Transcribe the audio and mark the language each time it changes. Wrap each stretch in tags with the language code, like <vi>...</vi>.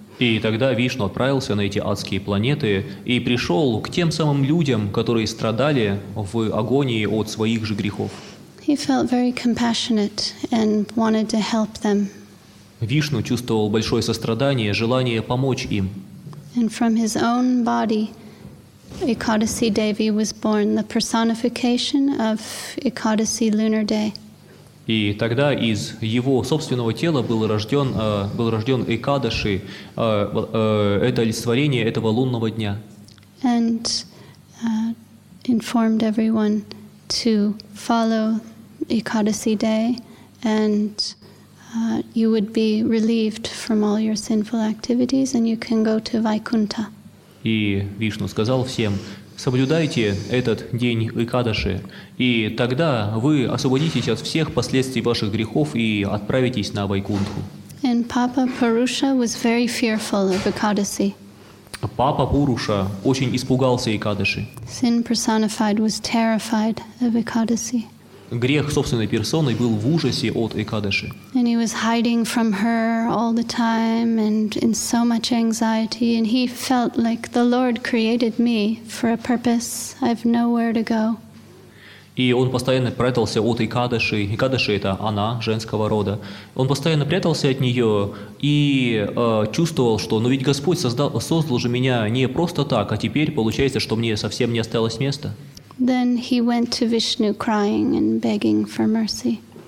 <ru>И тогда Вишну отправился на эти адские планеты и пришел к тем самым людям, которые страдали в агонии от своих же грехов.</ru> <en>He felt very compassionate and wanted to help them.</en> <ru>Вишну чувствовал большое сострадание, желание помочь им.</ru> <en>And from his own body, Ekadasi Devi was born, the personification of Ekadasi Lunar Day.</en> <ru>И тогда из его собственного тела был рожден Экадаши, это олицетворение этого лунного дня.</ru> <en>And informed everyone to follow Ekadasi Day, and you would be relieved from all your sinful activities, and you can go to Vaikuntha.</en> <ru>И Вишну сказал всем: соблюдайте этот день Экадаши, и тогда вы освободитесь от всех последствий ваших грехов и отправитесь на Вайкунтху.</ru> <en>And Papa Purusha was very fearful of Ekadasi.</en> <ru>Папа Пуруша очень испугался Экадаши.</ru> <en>Sin personified was terrified of Ekadasi.</en> <ru>Грех собственной персоной был в ужасе от Экадаши.</ru> <en>And he was hiding from her all the time and in so much anxiety, and he felt like the Lord created me for a purpose. I have nowhere to go.</en> <ru>И он постоянно прятался от Экадаши. Экадаши — это она, женского рода. Он постоянно прятался от нее и чувствовал, что «Но ведь Господь создал же меня не просто так, а теперь получается, что мне совсем не осталось места».</ru> <en>Then he went to Vishnu crying and begging for mercy.</en>